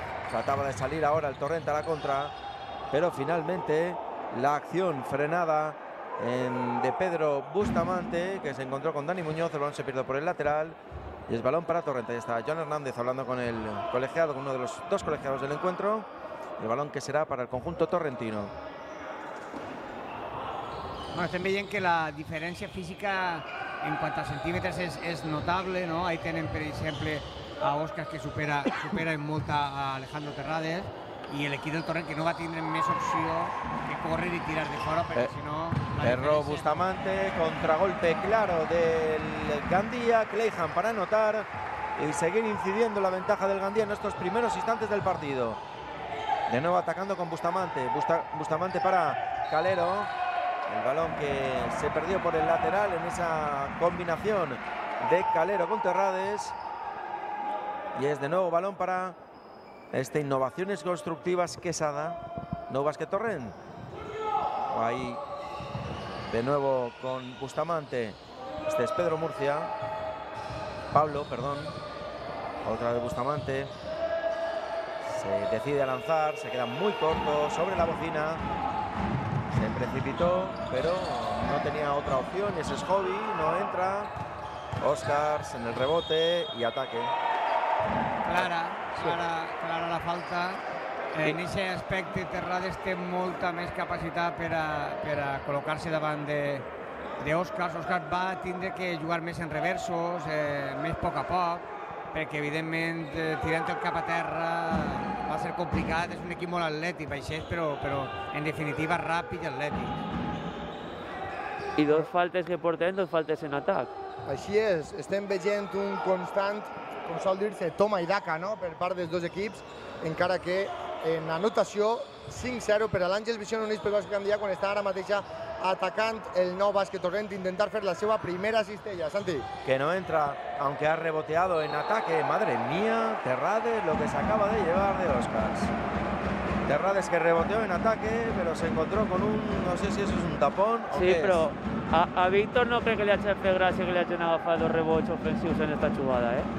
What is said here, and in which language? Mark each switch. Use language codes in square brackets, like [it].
[es] Trataba de salir ahora el Torrent a la contra, pero finalmente la acción frenada de Pedro Bustamante, que se encontró con Dani Muñoz. El balón se pierde por el lateral y es balón para Torrent. Ahí está John Hernández hablando con el colegiado, con uno de los dos colegiados del encuentro. El balón que será para el conjunto torrentino. [ca] Bueno, estem veient que la diferència física en quant a centímetres és notable, no? Ahí tenen, per exemple, a Oscar, que supera en molta a Alejandro Terrades, i l'equip del Torrent, que no va tindre més opció que córrer i tirar de fora, perquè si no... [es] Erró Bustamante, contragolpe claro del Gandía. Clejan para anotar y seguir incidiendo la ventaja del Gandía en estos primeros instantes del partido. De nuevo atacando con Bustamante. Bustamante para Calero. El balón que se perdió por el lateral en esa combinación de Calero con Terrades. Y es de nuevo balón para este Innovaciones Constructivas Quesada. No Basket Torrent. Ahí. De nuevo con Bustamante. Este es Pedro Murcia. Pablo, perdón. Otra de Bustamante. Se decide a lanzar. Se queda muy corto sobre la bocina. Se precipitó, pero no tenía otra opción. Ese es Hobby. No entra. Oscars en el rebote y ataque. clara la falta. [ca] En ese aspecte, Terrades té molta més capacitat per a col·locar-se davant d'Òscar. Òscar va tindre que jugar més en reversos, més a poc, perquè evidentment tirant el cap a terra va ser complicat. És un equip molt atlètic, baixet, però en definitiva ràpid i atlètic. I dos faltes que portem, dos faltes en atac. Així és, estem veient un constant, com sol dir-se, toma i daca, no?, per part dels dos equips, encara que en anotació 5-0 per a l'Àngels Vision Unis pel Bàsquet Gandia, quan està ara mateixa atacant el nou bàsquet Torrent, intentar fer la seva primera cistella. Santi. [es] Que no entra, aunque ha reboteado en ataque. Madre mía, Terrades, lo que se acaba de llevar de Oscars. Terrades que reboteó en ataque, pero se encontró con un, no sé si eso es un tapón. Sí, pero a Víctor no cree que le ha hecho gracia que le hayan agafado rebotes ofensivos en esta jugada,